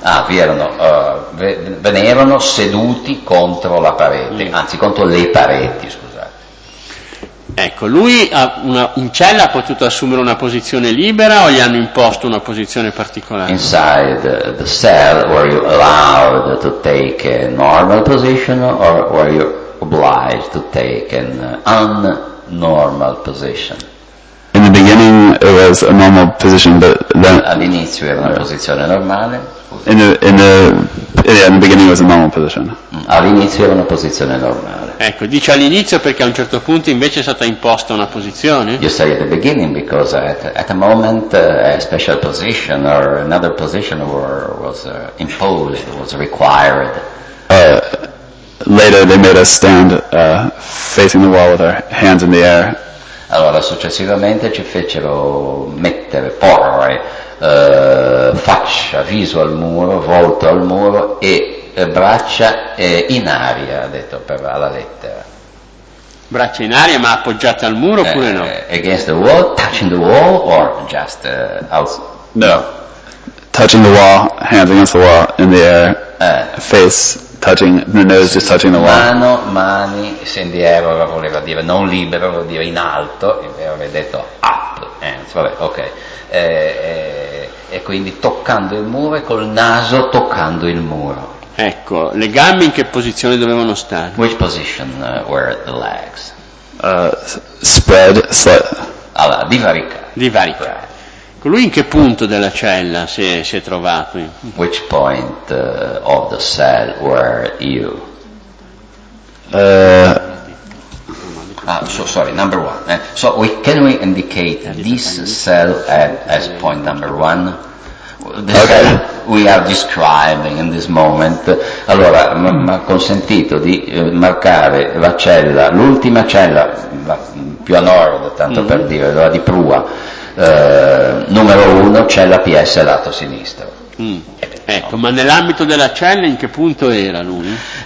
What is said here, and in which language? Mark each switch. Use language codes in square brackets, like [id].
[it] Ah, vi erano, ve ne erano seduti contro la parete, anzi contro le pareti, scusate. Ecco, lui in cella ha potuto assumere una posizione libera o gli hanno imposto una posizione particolare? [en] Inside the cell, were you allowed to take a normal position or were you obliged to take an unnormal position? In the beginning it was a normal position, but then [it] all'inizio era una posizione normale. [en] In the beginning it was a normal position. [it] All'inizio era una posizione normale. Ecco, dice all'inizio perché a un certo punto invece è stata imposta una posizione. [en] You say at the beginning because at a moment a special position or another position was imposed, was required. Later they made us stand facing the wall with our hands in the air. [it] Allora, successivamente ci fecero mettere, porre faccia, viso al muro, volto al muro e braccia in aria, detto per alla lettera. Braccia in aria, ma appoggiate al muro oppure no? [en] Against the wall, touching the wall, or just outside? No. Touching the wall, hands against the wall, in the air, face. Touching the nose, just touching the wall. [it] Mano, mani, se [en] in the air [it] voleva dire non libero, voleva dire in alto, invece aveva detto [en] up, hands, [it] vabbè, ok. E quindi toccando il muro e col naso toccando il muro. Ecco, le gambe in che posizione dovevano stare? [en] Which position were the legs? Spread, set. [it] Allora, divaricate. Divaricate. Lui in che punto della cella si è trovato? [en] Which point of the cell were you? Number one. So can we indicate this cell as point number one? Okay. We are describing in this moment. [it] Allora, mi ha consentito di marcare la cella, l'ultima cella, più a nord, tanto per dire, la di prua. Numero uno, cella PS lato sinistro. Ecco, ma nell'ambito della cella in che punto era lui?